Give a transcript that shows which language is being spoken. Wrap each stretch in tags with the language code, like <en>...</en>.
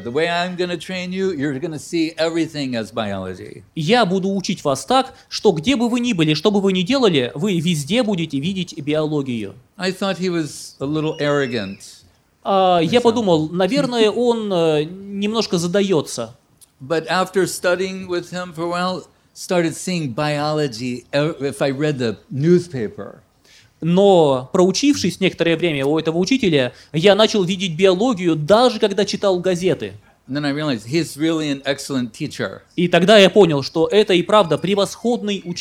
<en>The way I'm going to train you, you're going to see everything as biology.</en> <ru>Я буду учить вас так, что где бы вы ни были, что бы вы ни делали, вы везде будете видеть биологию.</ru> <en>I thought he was a little arrogant.</en> <ru>Я подумал, наверное, он немножко задается.</ru> <en>But after studying with him for a while, started seeing biology if I read the newspaper.</en> <ru>Но, проучившись некоторое время у этого учителя, я начал видеть биологию, даже когда читал газеты. И тогда я понял, что это и правда превосходный</ru>